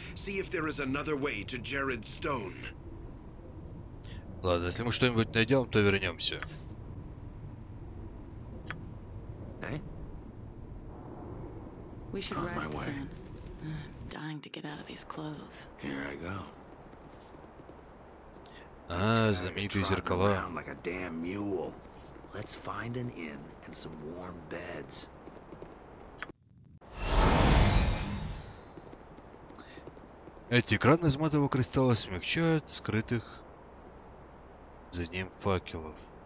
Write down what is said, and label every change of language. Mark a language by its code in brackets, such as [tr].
[en] See if there is another way to Jared Stone. [ru] Ладно, если мы что-нибудь найдем, то вернемся. [en] We should rest soon. Dying to get out of these clothes. Here I go. [ru] Знаменитые зеркала. [en] Like a damn mule. Let's find an inn and some warm beds. [ru] Эти экраны из матового кристалла смягчают скрытых за ним факелов.